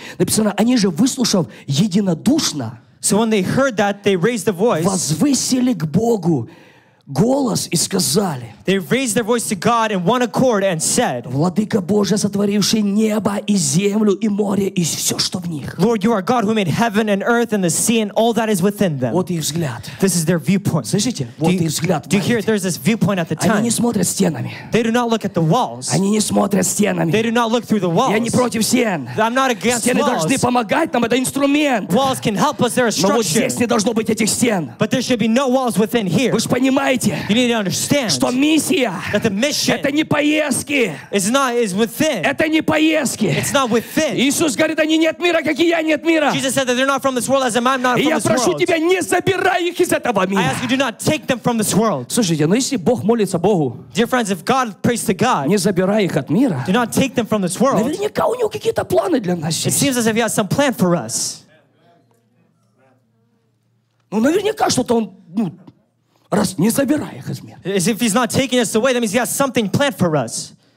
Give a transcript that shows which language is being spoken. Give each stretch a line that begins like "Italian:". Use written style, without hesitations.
Russian: Написано, они же выслушав единодушно.
English: So when they heard that, they raised the voice.
Russian: Возвысили к Богу голос и сказали.
English: They raised their voice to God in one accord and said.
Russian: Владыка Божий, сотворивший небо и землю и море и все, что в них.
English: Lord, you are God who made heaven and earth and the sea and all that is within them.
Russian: Вот их взгляд.
English: This is their viewpoint.
Russian: Слышите? Вот их взгляд.
English: Do you hear? There's this viewpoint at the time.
Russian: Они не смотрят стенами.
English: They do not look at the walls.
Russian: Они не смотрят стенами.
English: They do not look through the walls.
Russian: Я не против стен.
English: I'm not against
Russian: стены
English: walls.
Russian: Стены должны помогать нам, это инструмент.
English: Walls can help us. They're a structure.
Russian: Но вот здесь не должно быть этих стен.
English: But there should be no walls within here.
Russian: Вы же понимаете?
English: You need to understand
Russian: что миссия,
English: that the mission
Russian: это не поездки,
English: is not is within.
Russian: Это не поездки.
English: It's not within.
Russian: Иисус говорит, они не от мира, как и я не от мира.
English: Jesus said that they're not from this world, as am I not from this world.
Russian: Я прошу тебя, не забирай их из этого мира.
English: I ask you, do not take them from this world.
Russian: Слушайте, но если Бог молится Богу,
English: dear friends, if God prays to God,
Russian: не забирай их от мира.
English: Do not take them from this world.
Russian: Наверняка у него какие-то планы для нас.
English: It seems as if he has some plan for us.
Russian: Ну, наверняка что-то он ну раз не забирай их из мира.
English: As if he's not taking us away, that means he has something planned for us.